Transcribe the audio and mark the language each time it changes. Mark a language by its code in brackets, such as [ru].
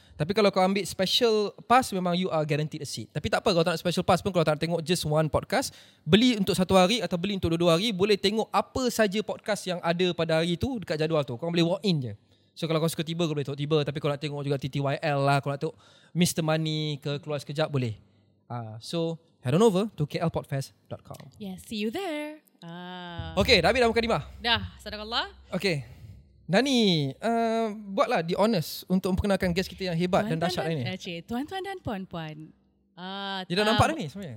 [ms] Tapi kalau kau ambil special pass, memang [en] you are guaranteed a seat. [ms] Tapi tak apa, kalau tak nak special pass pun, kalau tak nak tengok [en] just one podcast, [ms] beli untuk satu hari atau beli untuk dua-dua hari, boleh tengok apa saja podcast yang ada pada hari tu dekat jadual tu. Kau boleh [en] walk in [ms] je. So kalau kau suka Tiba, kau boleh tengok Tiba. Tapi kau nak tengok juga TTYL lah, kau nak tengok Mr. Money ke keluar sekejap, boleh. [en] So head on over to klpodfest.com. Yeah, see you there. [ms] Okay, dah habis dah mukadimah? Dah, sadakallah. [en] Okay. [ms] Nani, buatlah [en] the honors [ms] untuk memperkenalkan guest kita yang hebat tuan-tuan dan dahsyat ini. Tuan-tuan dan puan-puan. Dia dah nampak dah ni sebenarnya?